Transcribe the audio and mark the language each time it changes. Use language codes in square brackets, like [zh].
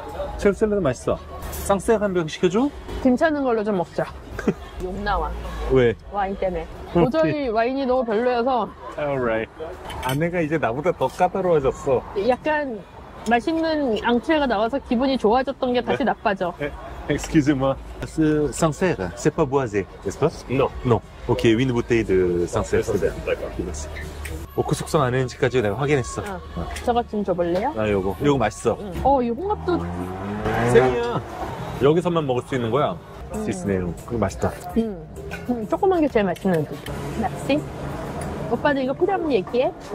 [ko] 체육 샐러드 맛있어. 쌍색 한 병 시켜줘? 괜찮은 걸로 좀 먹자. 욕 나와. 왜? 와인 때문에. 도저히 와인이 너무 별로여서. [en] Alright. [ko] 아내가 이제 나보다 더 까다로워졌어. 약간 맛있는 앙트레가 나와서 기분이 좋아졌던 게 다시 나빠져. [fr] Excusez-moi. Ce sans serre, c'est pas boisé, n'est-ce pas? Non. Non. Ok, une bouteille de sans serre. D'accord. [ko] 오크 숙성 안 했는지까지 내가 확인했어. 저 것 좀 줘볼래요? 아, 요거. 요거 맛있어. 이 홍합도. 생이야. 여기서만 먹을 수 있는 거야. 시스네요. 그거 맛있다. 조그만 게 제일 맛있는 거. 맛있지? 오빠도 이거 필요하면 얘기해.